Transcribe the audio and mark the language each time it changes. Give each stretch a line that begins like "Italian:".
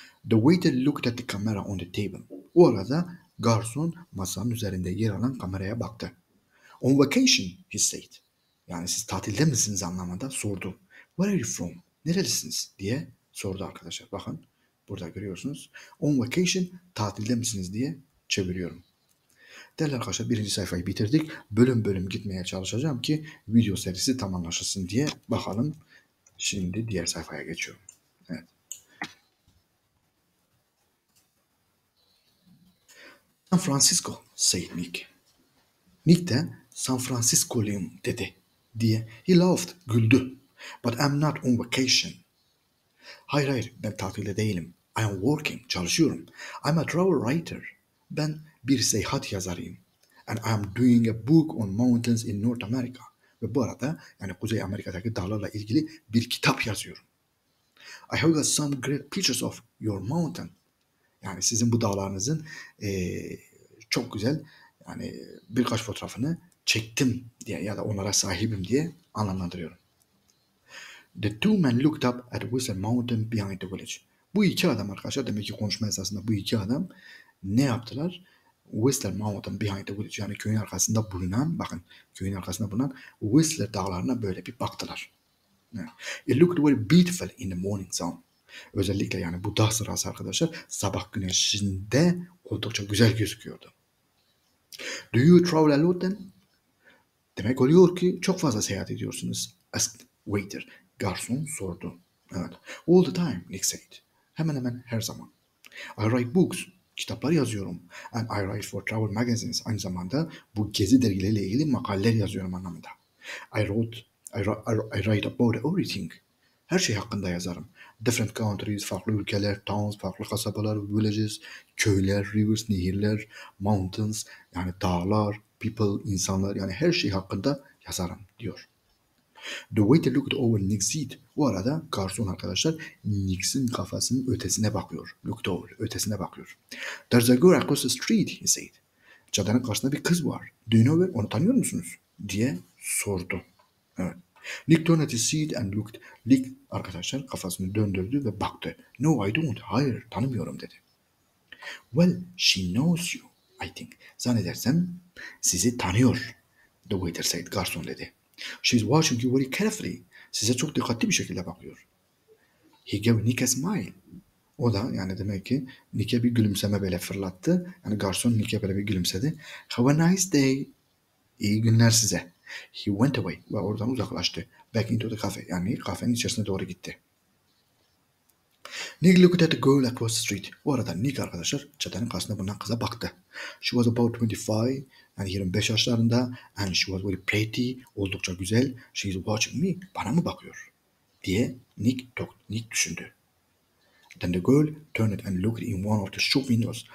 English: The waiter looked at the camera on the table.
Turkish: O arada garson masanın üzerinde yer alan kameraya baktı.
English: On vacation, he said.
Turkish: Yani siz tatilde misiniz anlamında sordu.
English: Where are you from?
Turkish: Nerelisiniz diye sordu arkadaşlar. Bakın burada görüyorsunuz.
English: On vacation,
Turkish: tatilde misiniz diye çeviriyorum. Değerli arkadaşlar, birinci sayfayı bitirdik. Bölüm bölüm gitmeye çalışacağım ki video serisi tamamlaşsın diye. Bakalım şimdi diğer sayfaya geçiyorum. Evet. Francisco,
English: said Nick.
Turkish: Nick de San Francisco'luyum dedi diye.
English: He laughed,
Turkish: güldü.
English: But I'm not on vacation.
Turkish: Hayır, ben tatilde değilim.
English: I am working,
Turkish: çalışıyorum.
English: I'm a travel writer.
Turkish: Ben bir seyahat yazarıyım.
English: And I am doing a book on mountains in North America.
Turkish: Ve bu arada yani Kuzey Amerika'daki dağlarla ilgili bir kitap yazıyorum.
English: I have got some great pictures of your mountain.
Turkish: Yani sizin bu dağlarınızın çok güzel yani birkaç fotoğrafını çektim diye ya da onlara sahibim diye anlamlandırıyorum.
English: The two men looked up at Whistler Mountain behind the village.
Turkish: Bu iki adam arkadaşlar, demek ki konuşma esasında bu iki adam ne yaptılar?
English: Whistler Mountain behind the village,
Turkish: yani köyün arkasında bulunan, bakın köyün arkasında bulunan Whistler dağlarına böyle bir baktılar. Yeah.
English: It looked very beautiful in the morning sun.
Turkish: Özellikle yani bu dağ sırası arkadaşlar sabah güneşinde oldukça güzel gözüküyordu.
English: Do you travel a lot then?
Turkish: Demek oluyor ki çok fazla seyahat ediyorsunuz.
English: Asked waiter,
Turkish: garson sordu.
English: Evet. All the time, Nick said.
Turkish: Hemen hemen her zaman.
English: I write books,
Turkish: kitaplar yazıyorum.
English: And I write for travel magazines.
Turkish: Aynı zamanda bu gezi dergileriyle ilgili makaleler yazıyorum anlamında.
English: I write about everything.
Turkish: Her şey hakkında yazarım.
English: Different countries,
Turkish: farklı ülkeler, towns, farklı kasabalar, villages, köyler, rivers, nehirler, mountains, yani dağlar, people, insanlar, yani her şey hakkında yazarım diyor.
English: The waiter looked over Nick's head.
Turkish: Bu arada garson arkadaşlar Nick'in kafasının ötesine bakıyor.
English: Looked over,
Turkish: ötesine bakıyor.
English: There's a girl across the street, he said.
Turkish: Caddenin karşısında bir kız var.
English: Do you know her?
Turkish: Onu tanıyor musunuz? Diye sordu. Evet.
English: Nick turned at his seat and looked.
Turkish: Nick arkadaşlar kafasını döndürdü ve baktı.
English: No, I don't.
Turkish: Hayır, tanımıyorum dedi.
English: Well, she knows you, I think.
Turkish: Zannedersem sizi tanıyor.
English: The waiter said,
Turkish: garson dedi.
English: She's watching you very carefully.
Turkish: Size çok dikkatli bir şekilde bakıyor.
English: He gave Nick a smile.
Turkish: O da yani demek ki Nick'e bir gülümseme böyle fırlattı. Yani garson Nick'e böyle bir gülümsedi.
English: Have a nice day.
Turkish: İyi günler size.
English: He went away
Turkish: ve oradan uzaklaştı.
English: Back into the cafe,
Turkish: yani kafenin içerisine doğru gitti.
English: Nick looked at the girl across the street.
Turkish: Bu arada Nick arkadaşlar çatının karşısında bulunan kıza baktı.
English: She was about 25,
Turkish: yani 25 yaşlarında,
English: and she was very pretty,
Turkish: oldukça güzel.
English: She is watching me,
Turkish: bana mı bakıyor? Diye Nick düşündü.
English: Then the girl turned and looked in one of the shop windows.